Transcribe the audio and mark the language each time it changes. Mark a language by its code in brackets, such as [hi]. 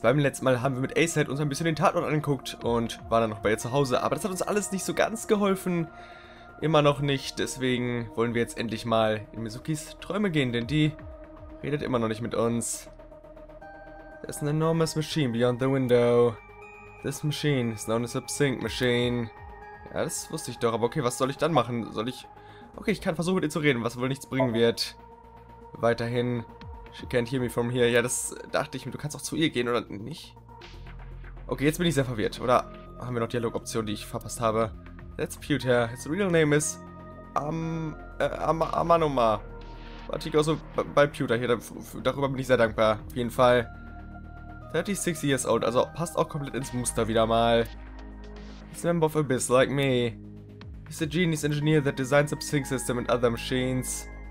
[de] Beim letzten Mal haben wir mit Acehead uns ein bisschen den Tatort angeguckt und waren dann noch bei ihr zu Hause. Aber das hat uns alles nicht so ganz geholfen. Immer noch nicht. Deswegen wollen wir jetzt endlich mal in Mizukis Träume gehen, denn die redet immer noch nicht mit uns. [en] There's an enormous machine beyond the window. This machine is known as a sink machine. [de] Ja, das wusste ich doch. Aber okay, was soll ich dann machen? Soll ich... Okay, ich kann versuchen, mit ihr zu reden, was wohl nichts bringen wird. Weiterhin. [en] She can't hear me from here. [de] Ja, das dachte ich mir. Du kannst auch zu ihr gehen, oder nicht? Okay, jetzt bin ich sehr verwirrt. Oder haben wir noch Dialogoptionen, die ich verpasst habe? [en] That's Pewter. His real name is... Amanoma. But he goes by Pewter [de] hier. Darüber bin ich sehr dankbar. Auf jeden Fall. [en] 36 years old. [de] Also passt auch komplett ins Muster wieder mal. [en] He's a member of Abyss, like me. He's a genius engineer that designs a sink system and other machines.